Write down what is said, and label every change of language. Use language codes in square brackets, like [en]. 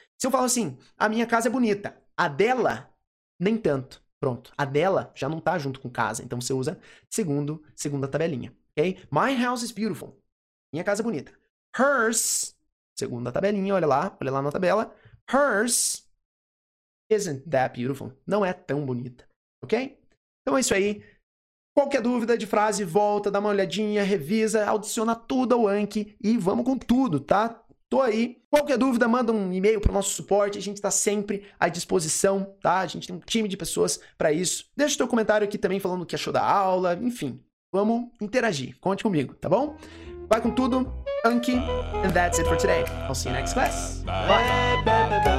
[pt] Se eu falo assim, a minha casa é bonita, a dela, nem tanto. Pronto, a dela já não tá junto com casa, então você usa segunda tabelinha, ok? [en] My house is beautiful, [pt] minha casa é bonita. Hers, segunda tabelinha, olha lá na tabela. [en] Hers isn't that beautiful? [pt] Não é tão bonita. Ok? Então é isso aí. Qualquer dúvida de frase, volta, dá uma olhadinha, revisa, adiciona tudo ao Anki e vamos com tudo, tá? Tô aí. Qualquer dúvida, manda um e-mail pro nosso suporte. A gente tá sempre à disposição, tá? A gente tem um time de pessoas para isso. Deixa o teu comentário aqui também falando o que achou da aula. Enfim, vamos interagir. Conte comigo, tá bom? Vai com tudo, [en] Anki. And that's it for today. I'll see you next class. Bye.